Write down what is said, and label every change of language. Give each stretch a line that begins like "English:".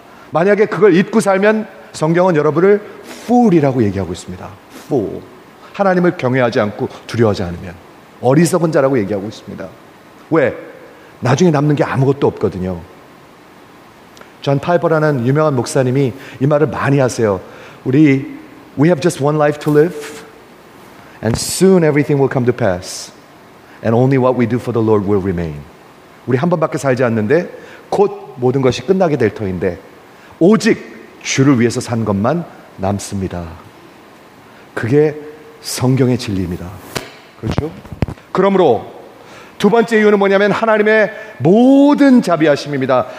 Korean: 만약에 그걸 잊고 살면 성경은 여러분을 fool이라고 얘기하고 있습니다.
English: fool.
Korean: 하나님을 경외하지 않고 두려워하지 않으면. 어리석은 자라고 얘기하고 있습니다. 왜? 나중에 남는 게 아무것도 없거든요. 존 파이버라는 유명한 목사님이 이 말을 많이 하세요.
English: We have just one life to live and soon everything will come to pass and only what we do for the Lord will remain.
Korean: 우리 한 번밖에 살지 않는데 곧 모든 것이 끝나게 될 터인데 오직 주를 위해서 산 것만 남습니다. 그게 성경의 진리입니다. 그렇죠? 그러므로 두 번째 이유는 뭐냐면 하나님의 모든 자비하심입니다.